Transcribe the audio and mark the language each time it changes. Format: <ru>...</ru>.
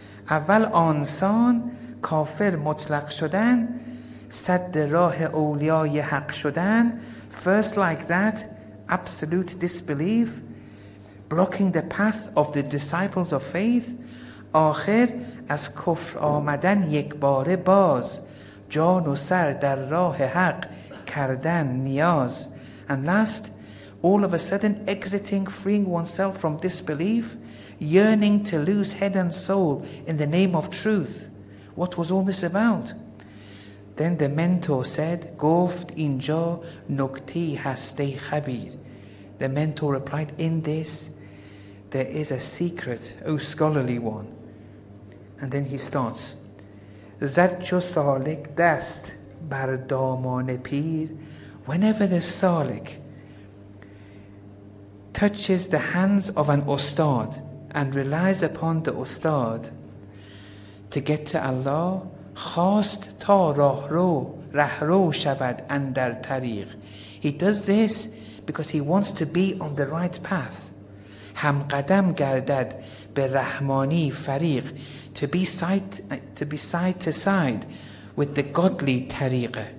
<fa>اول آنسان کافر مطلق شدن سد راه اولیای حق شدن.</fa> <en>First like that, absolute disbelief, blocking the path of the disciples of faith.</en> <fa>آخر از کفر آمدن یک بار باز جان و سر در راه حق کردن نیاز.</fa> <en>And last, all of a sudden exiting, freeing oneself from disbelief, yearning to lose head and soul in the name of truth. What was all this about? Then the mentor said,</en> <fa>گفت اینجا نکته هست خبیر.</fa> <en>The mentor replied, in this there is a secret, O scholarly one. And then he starts.</en> <fa>زد چو سالک دست بر دامان پیر.</fa> <en>Whenever the سالک touches the hands of an استاد and relies upon the استاد to get to Allah,</en> <fa>خواست تا رهرو شود اندر طریق.</fa> <en>He does this because he wants to be on the right path.</en> <fa>هم قدم گردد به رحمانی فریق.</fa> <en>To be side to side with the godly طریق.</en>